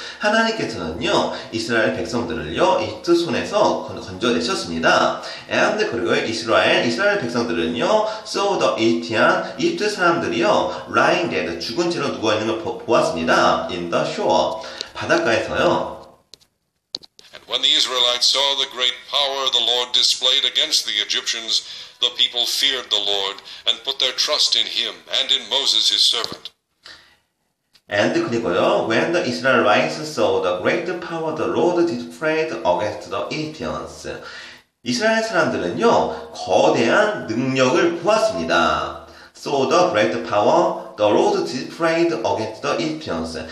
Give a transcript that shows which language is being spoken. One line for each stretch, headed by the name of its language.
Korean: 하나님께서는요, 이스라엘 백성들을요, 이집트 손에서 건져내셨습니다.
English: And,
Korean: 그리고 이스라엘 백성들은요,
English: so the Egyptian,
Korean: 이집트 사람들이요,
English: lying dead,
Korean: 죽은 채로 누워있는 걸 보았습니다.
English: In the shore,
Korean: 바닷가에서요.
English: And when the Israelites saw the great power the Lord displayed against the Egyptians, the people feared the Lord and put their trust in him and in Moses his servant. And
Korean: 그리고요,
English: when the Israelites saw the great power the Lord displayed against the Egyptians.
Korean: 이스라엘 사람들은요, 거대한 능력을 보았습니다.
English: So the great power the Lord displayed against the Egyptians.